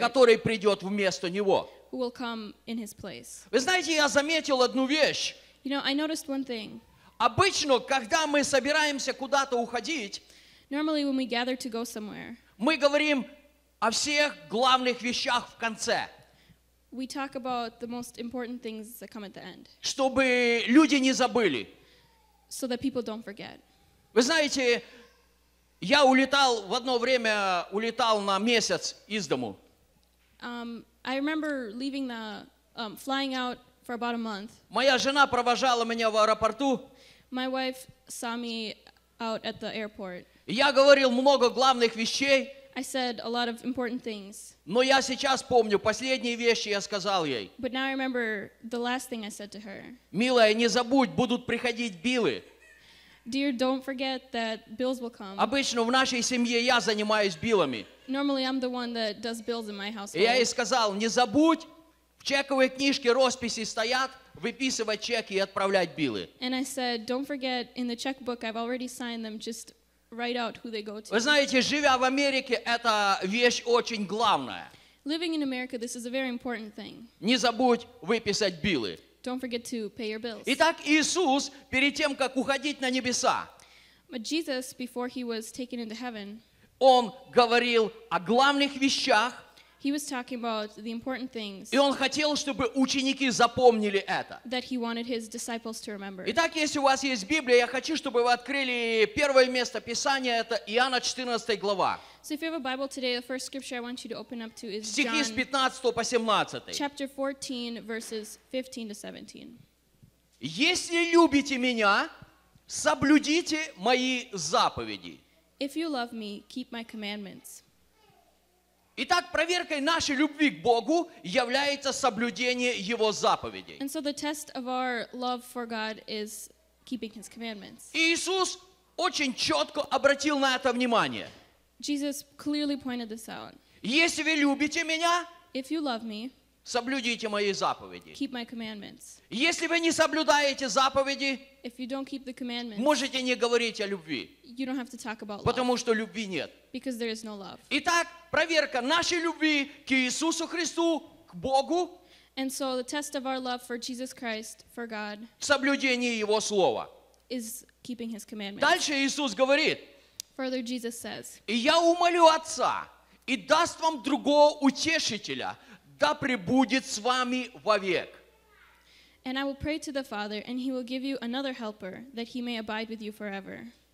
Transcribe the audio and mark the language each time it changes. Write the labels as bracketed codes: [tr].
[ru] который придет вместо Него. [en] Who will come in His place. [ru] Вы знаете, я заметил одну вещь. [en] You know, I noticed one thing. [ru] Обычно, когда мы собираемся куда-то уходить, [en] normally, when we gather to go somewhere, [ru] мы говорим о всех главных вещах в конце. [en] We talk about the most important things that come at the end. [ru] Чтобы люди не забыли. [en] So that people don't forget. [ru] Вы знаете, я улетал в одно время, улетал на месяц из дому. [en] I remember leaving the flying out for about a month. [ru] Моя жена провожала меня в аэропорту. [en] My wife saw me out at the airport. [ru] Я говорил много главных вещей. [en] I said a lot of important things. [ru] Но я сейчас помню последние вещи, я сказал ей. [en] But now I remember the last thing I said to her. [ru] Милая, не забудь, будут приходить биллы. [en] Dear, don't forget that bills will come. [ru] Обычно в нашей семье я занимаюсь биллами. [en] Normally I'm the one that does bills in my household. [ru] И я ей сказал, не забудь, в чековой книжке росписи стоят, выписывать чеки и отправлять биллы. [en] And I said, don't forget, in the checkbook I've already signed them, just write out who they go to. [ru] Вы знаете, живя в Америке, это вещь очень главная. [en] Living in America, this is a very important thing. [ru] Не забудь выписать биллы. [en] Don't forget to pay your bills. [ru] Итак, Иисус, перед тем, как уходить на небеса, [en] but Jesus, before he was taken into heaven, [ru] Он говорил о главных вещах, [en] He was talking about the important things. [ru] И он хотел, чтобы ученики запомнили это. [en] That he wanted his disciples to remember. [ru] Итак, если у вас есть Библия, я хочу, чтобы вы открыли первое место Писания, это Иоанна 14 глава. [en] So if you have a Bible today, the first scripture I want you to open up to is John. [ru] Стихи с 15 по 17. [en] Chapter 14, verses 15 to 17. [ru] Если любите меня, соблюдите мои заповеди. [en] If you love me, keep my commandments. [ru] Итак, проверкой нашей любви к Богу является соблюдение Его заповедей. [en] And so the test of our love for God is keeping His commandments. [ru] Иисус очень четко обратил на это внимание. [en] Jesus clearly pointed this out. [ru] Если вы любите меня, [en] if you love me, [ru] соблюдите мои заповеди. [en] Keep my commandments. [ru] Если вы не соблюдаете заповеди, [en] if you don't keep the commandments, [ru] можете не говорить о любви. [en] You don't have to talk about love. [ru] Потому что любви нет. [en] Because there is no love. [ru] Итак, проверка нашей любви к Иисусу Христу, к Богу. [en] And so the test of our love for Jesus Christ, for God. [ru] Соблюдение Его слова. [en] Is keeping His commandments. [ru] Дальше Иисус говорит. [en] Further, Jesus says. [ru] И я умолю Отца, и даст вам другого утешителя, да пребудет с вами вовек. [en] And I will pray to the Father, and He will give you another helper, that He may abide with you forever.